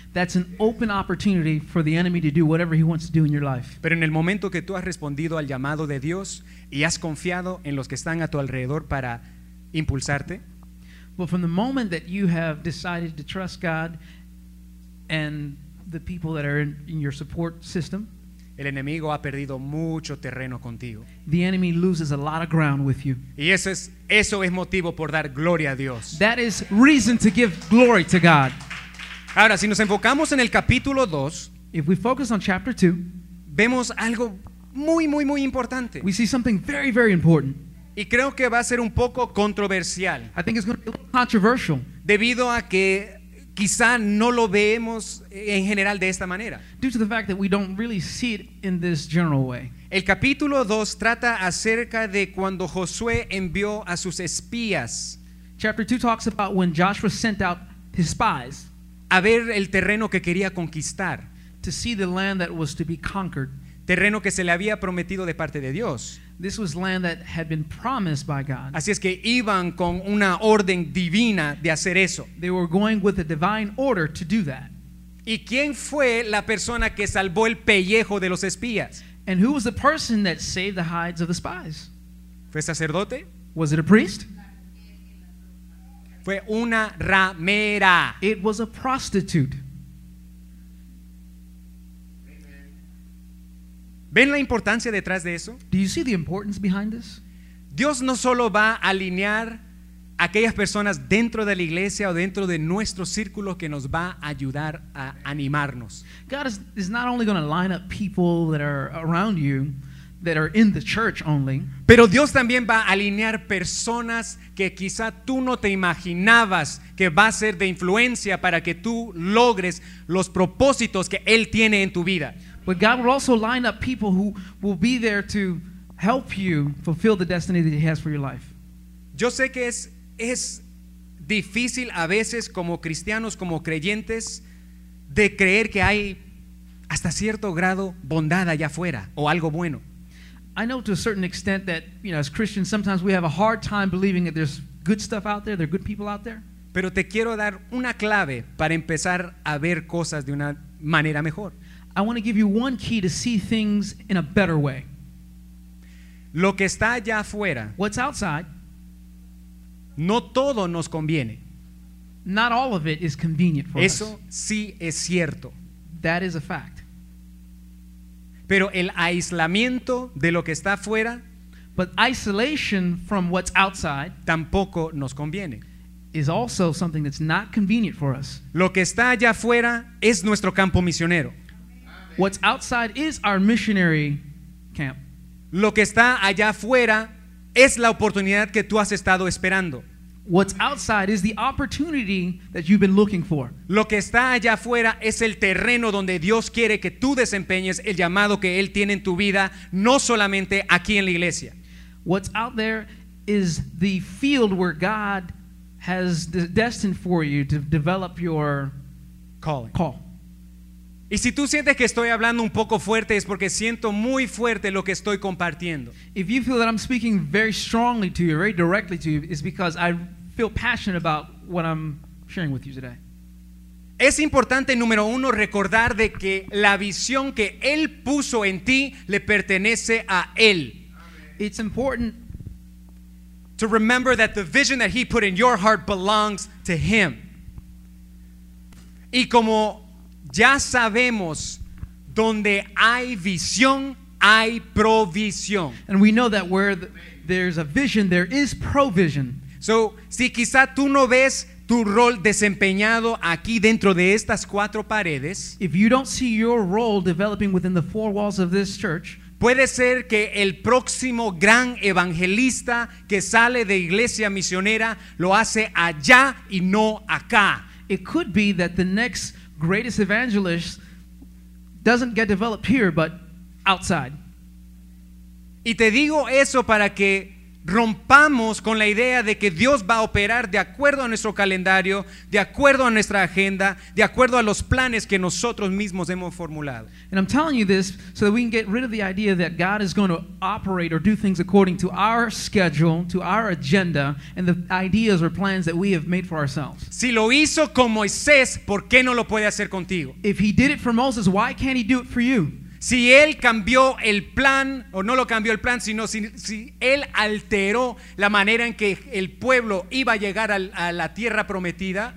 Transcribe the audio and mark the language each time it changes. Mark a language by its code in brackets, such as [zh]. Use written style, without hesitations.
[en] That's an open opportunity for the enemy to do whatever he wants to do in your life. [es] Pero en el momento que tú has respondido al llamado de Dios y has confiado en los que están a tu alrededor para impulsarte, [en] but from the moment that you have decided to trust God and the people that are in your support system, [es] el enemigo ha perdido mucho terreno contigo. [en] The enemy loses a lot of ground with you. [es] Y eso es motivo por dar gloria a Dios. [en] That is reason to give glory to God. [es] Ahora, si nos enfocamos en el capítulo 2, [en] if we focus on chapter 2, [es] vemos algo muy, muy, muy importante. [en] We see something very, very important. [es] Y creo que va a ser un poco controversial. [en] I think it's going to be a little controversial. [es] Debido a que quizá no lo vemos en general de esta manera. [en] Due to the fact that we don't really see it in this general way. [es] El capítulo 2 trata acerca de cuando Josué envió a sus espías. [en] Chapter 2 talks about when Joshua sent out his spies. [es] A ver el terreno que quería conquistar. [en] To see the land that was to be conquered. [es] Terreno que se le había prometido de parte de Dios. [en] This was land that had been promised by God. [es] Así es que iban con una orden divina de hacer eso. [en] They were going with a divine order to do that. [es] ¿Y quién fue la persona que salvó el pellejo de los espías? [en] And who was the person that saved the hides of the spies? [es] ¿Fue sacerdote? [en] Was it a priest? [es] Fue una ramera. [en] It was a prostitute. [es] ¿Ven la importancia detrás de eso? [en] Do you see the importance behind this? [es] Dios no solo va a alinear a aquellas personas dentro de la iglesia o dentro de nuestro círculo que nos va a ayudar a animarnos. [en] God is not only going to line up people that are around you that are in the church only. [es] Pero Dios también va a alinear personas que quizá tú no te imaginabas que va a ser de influencia para que tú logres los propósitos que Él tiene en tu vida. [en] But God will also line up people who will be there to help you fulfill the destiny that He has for your life. [es] Yo sé que es difícil a veces como cristianos, como creyentes, de creer que hay hasta cierto grado bondad allá afuera o algo bueno. [en] I know to a certain extent that, you know, as Christians, sometimes we have a hard time believing that there's good stuff out there, there are good people out there. [es] Pero te quiero dar una clave para empezar a ver cosas de una manera mejor. [en] I want to give you one key to see things in a better way. [es] Lo que está allá afuera, [en] what's outside, [es] no todo nos conviene. [en] Not all of it is convenient for [es] eso [en] us. [es] Eso sí es cierto. [en] That is a fact. [es] Pero el aislamiento de lo que está afuera, [en] but isolation from what's outside, [es] tampoco nos conviene. [en] Is also something that's not convenient for us. [es] Lo que está allá afuera es nuestro campo misionero. [en] What's outside is our missionary camp. [es] Lo que está allá afuera es la oportunidad que tú has estado esperando. [en] What's outside is the opportunity that you've been looking for. [es] Lo que está allá afuera es el terreno donde Dios quiere que tú desempeñes el llamado que Él tiene en tu vida, no solamente aquí en la iglesia. [en] What's out there is the field where God has destined for you to develop your calling. Call. [es] Y si tú sientes que estoy hablando un poco fuerte, es porque siento muy fuerte lo que estoy compartiendo. [en] If you feel that I'm speaking very strongly to you, very directly to you, it's because I feel passionate about what I'm sharing with you today. [es] Es importante, número uno, recordar de que la visión que Él puso en ti le pertenece a Él. [en] It's important to remember that the vision that He put in your heart belongs to Him. [es] Y como ya sabemos, donde hay visión, hay provisión. [en] And we know that where there's a vision, there is provision. [es] So, si quizá tú no ves tu rol desempeñado aquí dentro de estas cuatro paredes, [en] if you don't see your role developing within the four walls of this church, [es] puede ser que el próximo gran evangelista que sale de iglesia misionera lo hace allá y no acá. [en] It could be that the next greatest evangelist doesn't get developed here but outside. [es] Y te digo eso para que rompamos con la idea de que Dios va a operar de acuerdo a nuestro calendario, de acuerdo a nuestra agenda, de acuerdo a los planes que nosotros mismos hemos formulado. [en] And I'm telling you this so that we can get rid of the idea that God is going to operate or do things according to our schedule, to our agenda, and the ideas or plans that we have made for ourselves. [es] Si lo hizo con Moisés, ¿por qué no lo puede hacer contigo? [en] If he did it for Moses, why can't he do it for you? [es] Si él cambió el plan, o no lo cambió el plan, sino si él alteró la manera en que el pueblo iba a llegar a la tierra prometida.